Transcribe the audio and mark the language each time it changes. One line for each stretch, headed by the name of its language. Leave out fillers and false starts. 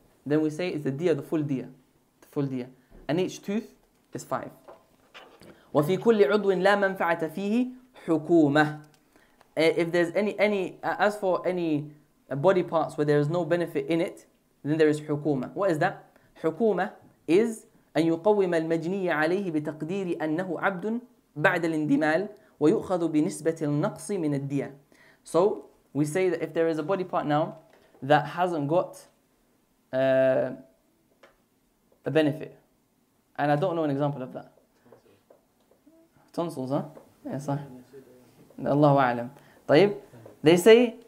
English: Then we say it's the diya, the full diya. And each tooth is five.
Arabic: وَفِي كُلِّ عُضْوٍ لَا مَنْفَعَةَ فِيهِ حُكُومَةٍ.
English: If there's any, body parts where there is no benefit in it, then there is hukuma. What is that?
Arabic: Hukuma is أن يقوم المجنية عليه بتقدير أنه عبد بعد الاندمال ويؤخذ بنسبة النقص من الدية.
English: So we say that if there is a body part now that hasn't got a benefit, and I don't know an example of that. Tonsils, huh? Yes, sir.
Arabic: الله أعلم.
English: طيب, they say